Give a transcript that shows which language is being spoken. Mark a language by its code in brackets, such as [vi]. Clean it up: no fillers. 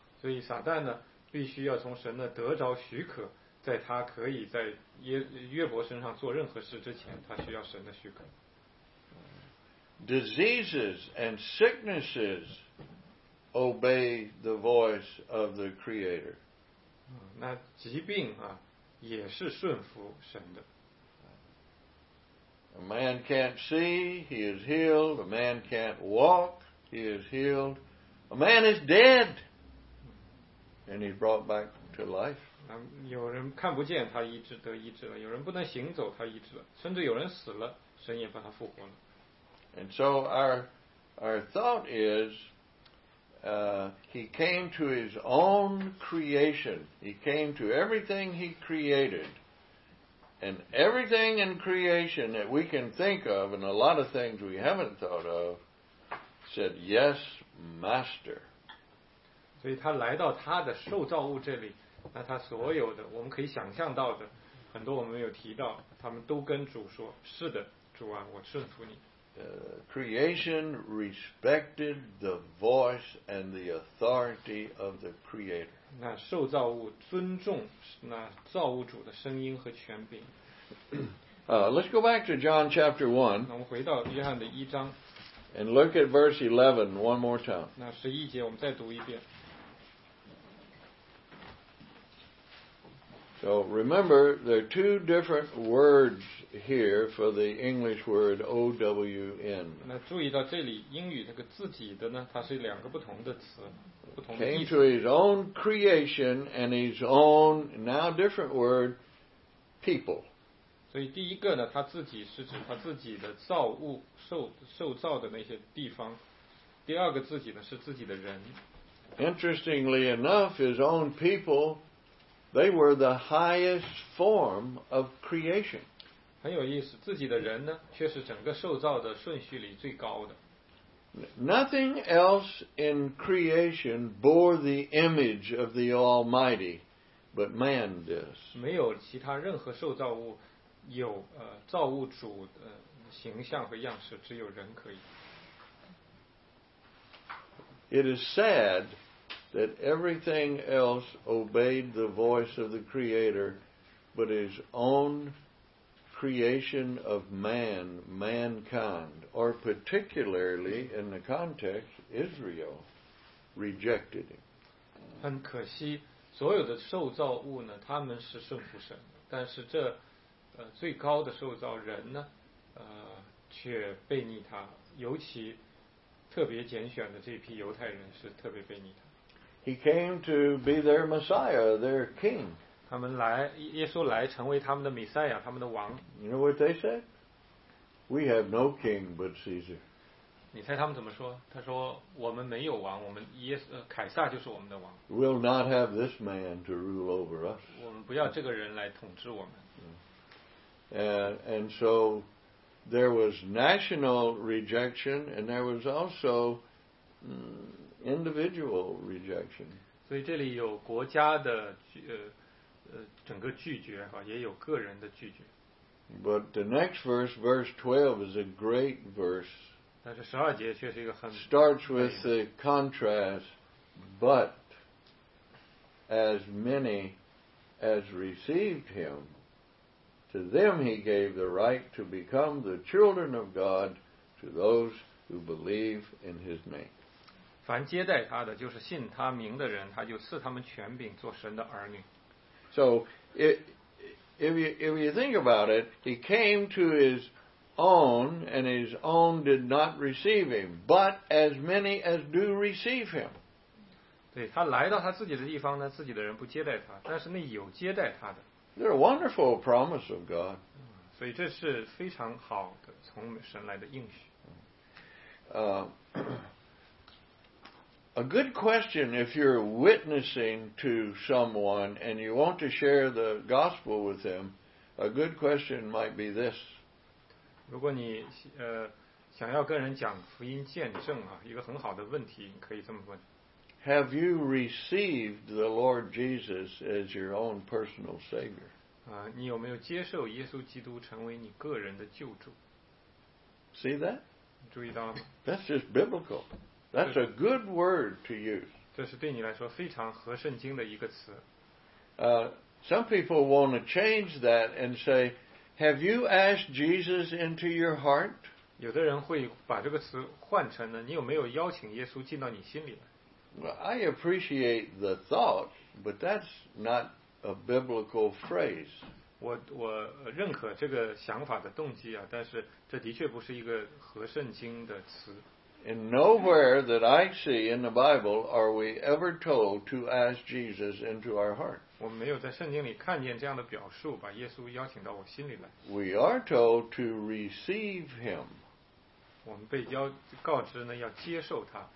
[zh] 所以撒旦呢，必须要从神那得着许可。在他可以在约伯身上做任何事之前，他需要神的许可。 [en] Diseases and sicknesses obey the voice of the Creator. [zh] 那疾病啊，也是顺服神的。 [en] A man can't see, he is healed. A man can't walk, he is healed. A man is dead, and he's brought back to life. [zh] 有人看不见，他医治得医治了；有人不能行走，他医治了；甚至有人死了，神也把他复活了。 [en] And so our thought is, he came to his own creation. He came to everything he created, and everything in creation that we can think of, and a lot of things we haven't thought of, said yes, master. [zh] 所以他来到他的受造物这里。那他所有的我们可以想象到的很多我们有提到他们都跟主说是的主啊我顺服你 [en] creation respected the voice and the authority of the Creator. [zh] 那受造物尊重那造物主的声音和权柄。 [en] Let's go back to John chapter 1. [zh] 那我们回到约翰的一章。 [en] And look at verse 11 one more time. [zh] 那十一节我们再读一遍。 [en] So remember, there are two different words here for the English word O-W-N. [zh] 那注意到这里英语这个自己的呢，它是两个不同的词，不同的意思。 [en] Came to his own creation and his own, now different word, people. [zh] 所以第一个呢，他自己是指他自己的造物，受造的那些地方。第二个自己呢，是自己的人。 [en] Interestingly enough, his own people, they were the highest form of creation. [zh] 很有意思，自己的人呢，却是整个受造的顺序里最高的。 [en] Nothing else in creation bore the image of the Almighty, but man does. [zh] 没有其他任何受造物有造物主的形象和样式，只有人可以。 [en] It is sad that everything else obeyed the voice of the Creator, but his own creation of man, mankind, or particularly in the context, Israel, rejected him. [zh] 很可惜，所有的受造物呢，他们是顺服神，但是这最高的受造人呢，却背逆他，尤其特别拣选的这批犹太人是特别背逆他。 [en] He came to be their Messiah, their king. [zh] 他们来，耶稣来成为他们的弥赛亚，他们的王。 [en] You know what they said? We have no king but Caesar. [zh] 你猜他们怎么说？他说我们没有王，我们耶稣凯撒就是我们的王。 [en] We'll not have this man to rule over us. [zh] 我们不要这个人来统治我们。 [en] And so there was national rejection, and there was also individual rejection. [zh] 所以这里有国家的整个拒绝哈，也有个人的拒绝。 [en] But the next verse, verse 12, is a great verse. [zh] 但是十二节却是一个很。 [en] Starts with the contrast, but as many as received him, to them he gave the right to become the children of God, to those who believe in his name. [zh] 凡接待他的，就是信他名的人，他就赐他们权柄做神的儿女。 [en] So if you think about it, he came to his own, and his own did not receive him, but as many as do receive him. [zh] 对，他来到他自己的地方呢，自己的人不接待他，但是那有接待他的。 [en] They're a wonderful promise of God. [zh] 所以这是非常好的从神来的应许。 [en] A good question if you're witnessing to someone and you want to share the gospel with them, a good question might be this. [zh] 如果你想要跟人讲福音见证啊，一个很好的问题可以这么问。 [en] Have you received the Lord Jesus as your own personal Savior? [zh] 你有没有接受耶稣基督成为你个人的救主？ [en] See that? [zh] 注意到了吗？ [en] That's just biblical. That's a good word to use. [zh] 这是对你来说非常合圣经的一个词。 [en] Some people want to change that and say, have you asked Jesus into your heart? [zh] 有的人会把这个词换成呢，你有没有邀请耶稣进到你心里来？ [en] Well, I appreciate the thought, but that's not a biblical phrase. [zh] 我认可这个想法的动机啊，但是这的确不是一个合圣经的词。 [en] In nowhere that I see in the Bible are we ever told to ask Jesus into our heart. [zh] 我没有在圣经里看见这样的表述，把耶稣邀请到我心里来。 [en] We are told to receive him. [zh] 我们被告知呢，要接受他。